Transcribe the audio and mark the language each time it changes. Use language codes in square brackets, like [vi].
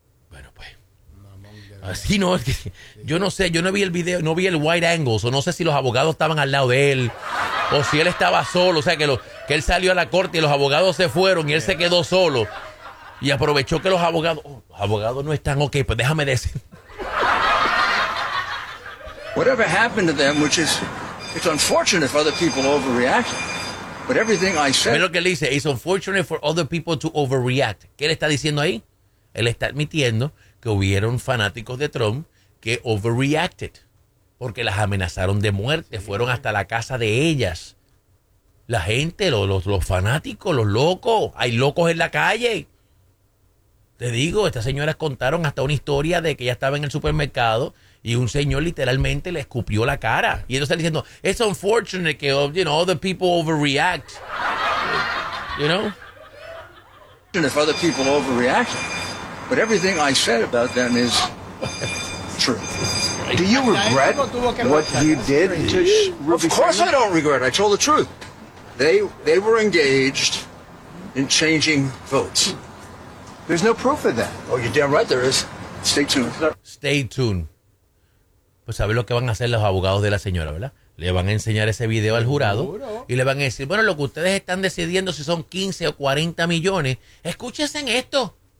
[es] Bueno, pues. Así no. Yo no vi el video, no vi el wide angle. O no sé si los abogados estaban al lado de él. O si él estaba solo. O sea, que él salió a la corte y los abogados se fueron y él se quedó solo. Y aprovechó que los abogados no están ok, pues déjame decir. [en] Whatever happened to them, which is, it's unfortunate for other people overreact. But everything I said. [es] Mira lo que él dice, [en] it's unfortunate for other people to overreact. [es] ¿Qué él está diciendo ahí? Él está admitiendo que hubieron fanáticos de Trump que overreacted. Porque las amenazaron de muerte, fueron hasta la casa de ellas. La gente, los fanáticos, los locos, hay locos en la calle. Te digo, estas señoras contaron hasta una historia de que ella estaba en el supermercado y un señor literalmente le escupió la cara. Y ellos están diciendo, [en] it's unfortunate [es] que, [en] you know, other people overreact. You know? If other people overreact, but everything I said about them is true. Do you regret what you did? Of course I don't regret. I told the truth. They were engaged in changing votes. There's no proof of that. Oh, you're damn right there is. Stay tuned. Stay tuned. [es] Pues sabes lo que van a hacer los abogados de la señora, ¿verdad? Le van a enseñar ese video al jurado. ¿Seguro? Y le van a decir, bueno, lo que ustedes están decidiendo si son 15 o 40 millones, escúchense en esto.